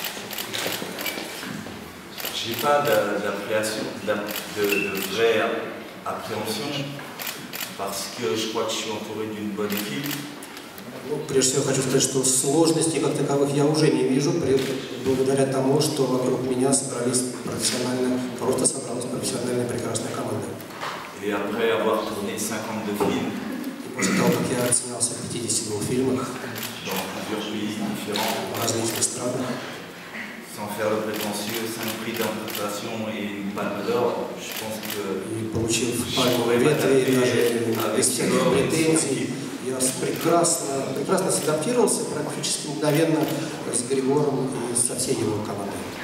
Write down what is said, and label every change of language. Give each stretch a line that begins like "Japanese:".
French: J'ai pas de vraie appréhension parce que je crois que je suis entouré d'une bonne équipe.
Russian: Прежде всего, хочу сказать, что сложностей как таковых я уже не вижу, благодаря тому, что вокруг меня собралась профессиональная прекрасная команда.
French: Et après avoir tourné 52 films.
Russian: После того, как я снялся в 52 фильмах, в различных странах,
French: sans faire le prétentieux, 5 prix d'interprétation et une palme d'or, je pense que je pourrais m'adapter avec
Russian: я прекрасно адаптировался практически мгновенно с Григором и со всей его командой.